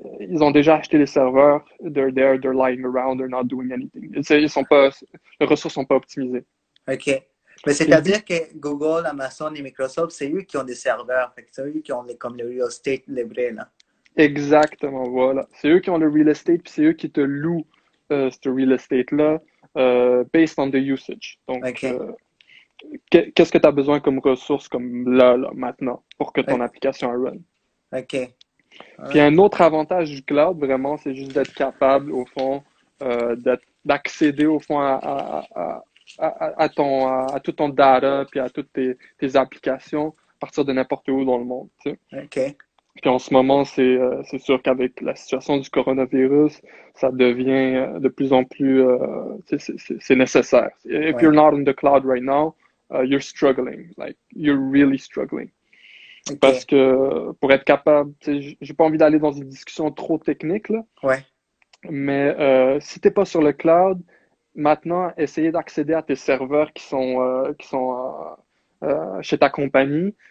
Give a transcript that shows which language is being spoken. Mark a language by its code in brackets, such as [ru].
[fr] ils ont déjà acheté les serveurs, [en] they're there, they're lying around, they're not doing anything. [fr] Ils sont pas, les ressources sont pas optimisées. OK. Mais Et le c'est-à-dire que Google, Amazon et Microsoft, c'est eux qui ont des serveurs. Fait que c'est eux qui ont comme le real estate, les vrais, là. Exactement, voilà. C'est eux qui ont le real estate, puis c'est eux qui te louent ce real estate-là, [en] based on the usage. [fr] Donc, OK. qu'est-ce que tu as besoin comme ressources, comme là, maintenant, pour que ton application run? OK. Puis un autre avantage du cloud, vraiment, c'est juste d'être capable, au fond, d'accéder, au fond, à tout ton data, puis à toutes tes applications, à partir de n'importe où dans le monde, tu sais. OK. Puis en ce moment, c'est sûr qu'avec la situation du coronavirus, ça devient de plus en plus c'est nécessaire. [en] If you're [fr] Ouais. [en] not in the cloud right now, you're struggling. Like, you're really struggling. OK. [fr] Parce que pour être capable, j'ai pas envie d'aller dans une discussion trop technique, là, Ouais. mais si t'es pas sur le cloud, maintenant, essayer d'accéder à tes serveurs qui sont chez ta compagnie.